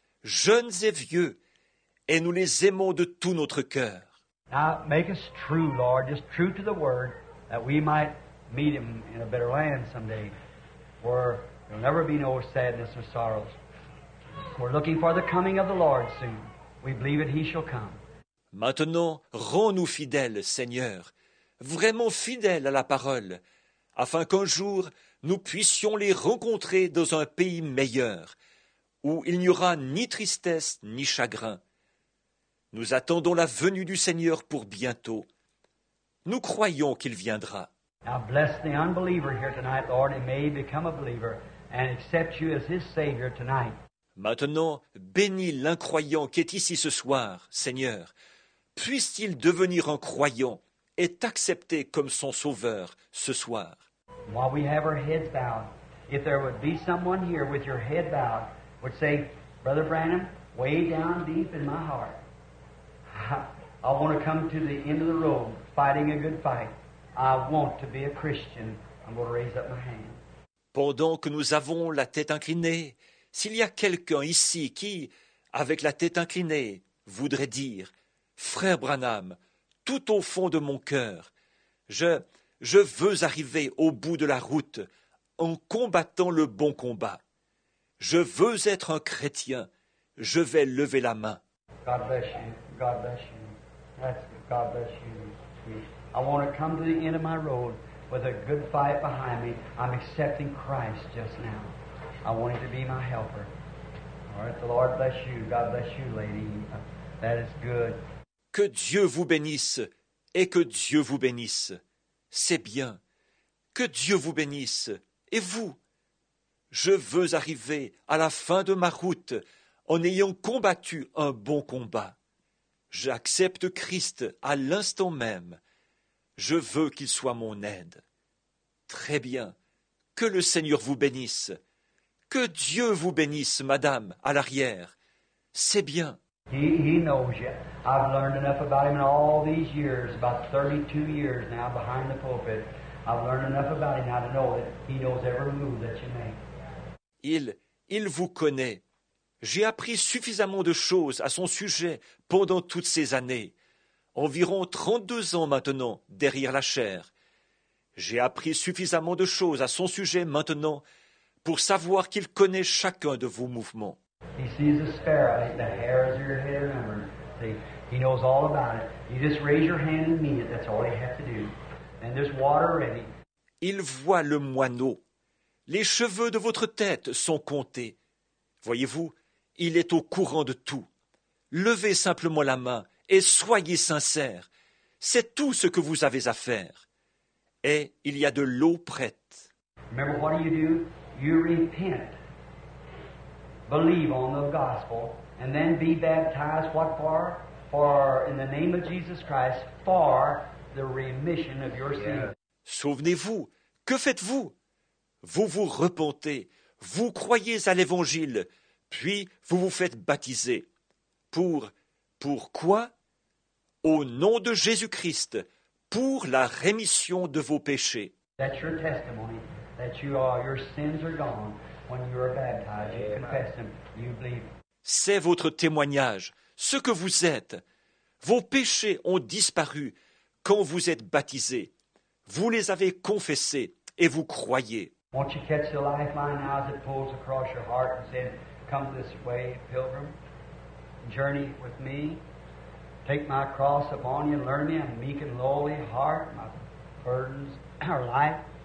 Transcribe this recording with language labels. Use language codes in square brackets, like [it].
[fr] jeunes et vieux, et nous les aimons de tout notre cœur. [en] Now make us true, Lord, just true to the word, that we might meet him in a better land someday, where there'll never be no sadness or sorrows. We're looking for the coming of the Lord soon. We believe it, he shall come. [fr] Maintenant, rends-nous fidèles, Seigneur, vraiment fidèles à la parole, afin qu'un jour nous puissions les rencontrer dans un pays meilleur, où il n'y aura ni tristesse ni chagrin. Nous attendons la venue du Seigneur pour bientôt. Nous croyons qu'il viendra. [en] Now bless the unbeliever here tonight, Lord, and may he become a believer and accept you as his Savior tonight. [fr] Maintenant, bénis l'incroyant qui est ici ce soir, Seigneur. Puisse-t-il devenir un croyant et t'accepter comme son sauveur ce soir? [en] While we have our heads bowed, if there would be someone here with your head bowed, would say, Brother Branham, way down deep in my heart, I want to come to the end of the road fighting a good fight. I want to be a Christian. I'm going to raise up my hand. [fr] Pendant que nous avons la tête inclinée, s'il y a quelqu'un ici qui, avec la tête inclinée, voudrait dire, Frère Branham, tout au fond de mon cœur, je veux arriver au bout de la route en combattant le bon combat. Je veux être un chrétien. Je vais lever la main. [en] God bless you. God bless you. That's God bless you. I want to come to the end of my road with a good fight behind me. I'm accepting Christ just now. I want him to be my helper. All right, the Lord bless you. God bless you, lady. That is good. [fr] Que Dieu vous bénisse et que Dieu vous bénisse. C'est bien. Que Dieu vous bénisse. Et vous? Je veux arriver à la fin de ma route en ayant combattu un bon combat. J'accepte Christ à l'instant même. Je veux qu'il soit mon aide. Très bien. Que le Seigneur vous bénisse. Que Dieu vous bénisse, madame, à l'arrière. C'est bien. [en] He knows you. I've learned enough about him in all these years, about 32 years now behind the pulpit. I've learned enough about him now to know that he knows every move that you make. [fr] Il vous connaît. J'ai appris suffisamment de choses à son sujet pendant toutes ces années, environ 32 ans maintenant derrière la chaire. J'ai appris suffisamment de choses à son sujet maintenant pour savoir qu'il connaît chacun de vos mouvements. [en] He sees the sparrow, the hairs of your head remember. See, he knows all about it. You just raise your hand and mean it, that's all you have to do. And there's water ready. [fr] Il voit le moineau. Les cheveux de votre tête sont comptés. Voyez-vous, il est au courant de tout. Levez simplement la main et soyez sincère. C'est tout ce que vous avez à faire. Et il y a de l'eau prête. [en] Remember, what do? You repent. Believe on the gospel, and then be baptized, what for? For, in the name of Jesus Christ, for the remission of your sins. [fr] Souvenez-vous, que faites-vous? Vous vous repentez, vous croyez à l'évangile, puis vous vous faites baptiser. Pour quoi? Au nom de Jésus-Christ, pour la rémission de vos péchés. [en] That's your testimony, that you are, your sins are gone. When you are baptized, you confess him, you believe. [fr] C'est votre témoignage, ce que vous êtes. Vos péchés ont disparu quand vous êtes baptisé. Vous les avez confessés et vous croyez. [en] Won't you catch the lifeline now as it pulls across your heart and says, come this way, pilgrim, journey with me. Take my cross upon you and learn me, I'm meek and lowly heart, my burdens are light.